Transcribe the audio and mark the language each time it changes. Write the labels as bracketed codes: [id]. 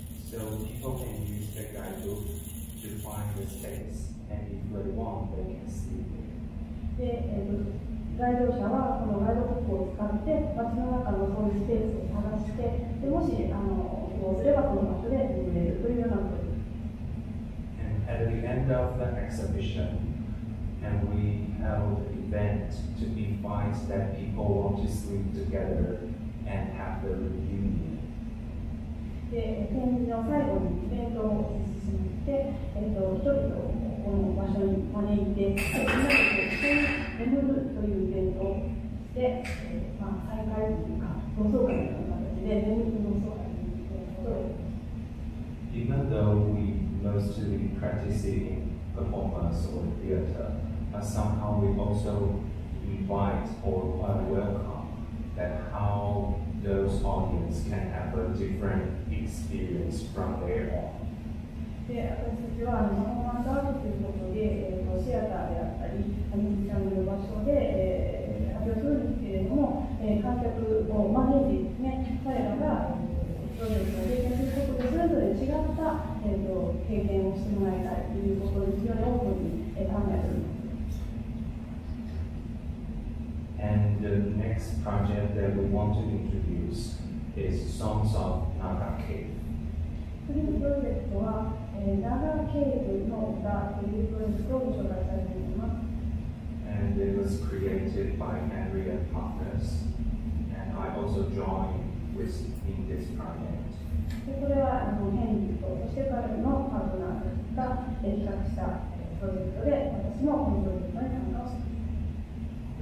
[en] So people can use the guidebook to find the space, and if they want, they can see it. And. [ja] 来場者はこのガイドブックを使って街の中のそういうスペースを探して、でもしあのこうすればこの場所で見れるというようなことです。 [en] And at the end of the exhibition, and we held an event to invite that people want to sleep together and have the reunion. [ja] で、展示の最後にイベントを実施して、人々をこの場所に招いて、みんなで一緒に眠るというイベントをして、まあ、再会というか、同窓会という形で、眠る同窓会ということで。 [en] Even though we mostly practice in performance or theater, but somehow we also invite or welcome that how those audience can have a different experience from their own. [ja] で、私たちはパフォーマンスアートということで、シアターであったり、ミュージシャンの場所で、発表するんですけれども、観客を招いてですね、彼らが、それぞれ経験することで、それぞれ違った、経験をしてもらいたいということを非常に多くに、考えています。 [en] And the next project that we want to introduce is Songs of Nagake. [ja] 次のプロジェクトは、長ケーブの歌というプロジェクトをご紹介したいと思います。 [en] And it was created by Andrea Parkers, and I also joined with in this project. [ja] でこれはあのヘンリーとそして彼のパートナーが企画したプロジェクトで、私もこのプロジェクトに参加をしました。